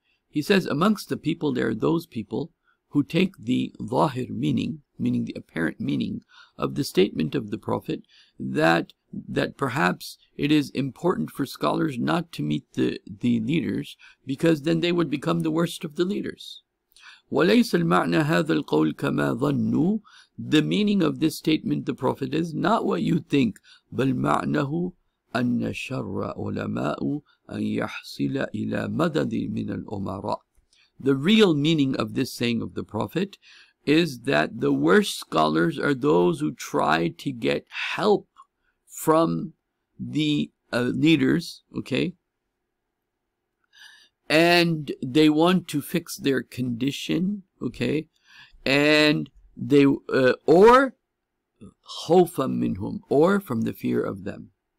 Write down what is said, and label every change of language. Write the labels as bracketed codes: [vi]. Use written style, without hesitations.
[en] He says, amongst the people, there are those people who take the zahir meaning the apparent meaning of the statement of the Prophet, that perhaps it is important for scholars not to meet the leaders, because then they would become the worst of the leaders. [ar] وَلَيْسَ الْمَعْنَى هَذَا الْقَوْلِ كَمَا ظَنُّوا. [en] The meaning of this statement, the Prophet, is not what you think. [ar] بَلْ مَعْنَهُ أَنَّ شَرَّ عُلَمَاءُ أَنْ يَحْصِلَ إِلَى مَدَدٍ مِنَ الْأُمَرَاءِ. [en] The real meaning of this saying of the Prophet is that the worst scholars are those who try to get help from the leaders, okay? And they want to fix their condition, okay? And they, or [ar] khawfa minhum, [en] or from the fear of them.